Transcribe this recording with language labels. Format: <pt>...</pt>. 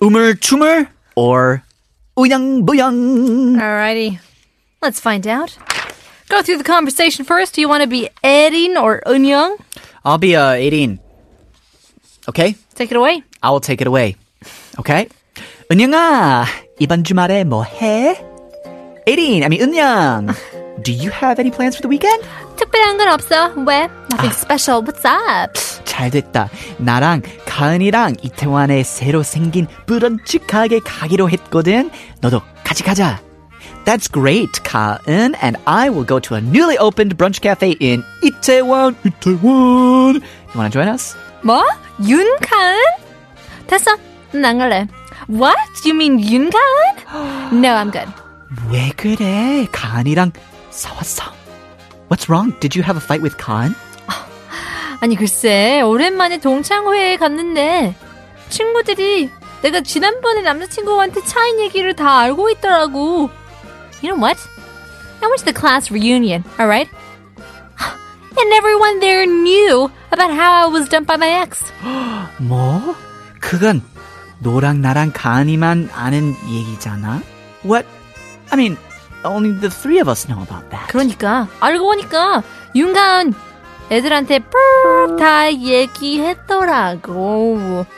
<ko>우물 춤을 or 우영부영.</ko> <en>Alrighty, let's find out. Go through the conversation first. Do you want to be Erin or Eunyoung? I'll be Erin. Okay? Take it away. I will take it away. Okay?</en> <ko>은영아, 이번 주말에 뭐 해?</ko> <en>Erin, I mean 은영. Do you have any plans for the weekend?</en> <ko>특별한 건 없어. 왜?</ko> <en>Nothing special. What's up?</en> <ko>잘 됐다. 나랑 가은이랑 이태원에 새로 생긴 브런치 가게 가기로 했거든. 너도 같이 가자.</ko> <en>That's great, Ka-eun, and I will go to a newly opened brunch cafe in Itaewon. Itaewon! You want to join us?</en> <ko>뭐? 윤 Ka-eun? 됐어, 난 안 갈래.</ko> <en>What? You mean 윤 Ka-eun? No, I'm good.</en> <ko>왜 그래? Ka-eun이랑 싸웠어.</ko> <en>What's wrong? Did you have a fight with Ka-eun?</en> <ko>아니, 글쎄, 오랜만에 동창회에 갔는데 친구들이 내가 지난번에 남자친구한테 차인 얘기를 다 알고 있더라고.</ko> <en>You know what? I went to the class reunion, all right? And everyone there knew about how I was dumped by my ex.</en> <ko>뭐? 그건 너랑 나랑 가은이만 아는 얘기잖아.</ko> <en>What? I mean, only the three of us know about that.</en> <ko>그러니까 알고 보니까 윤가은 애들한테 다 얘기했더라고.</ko>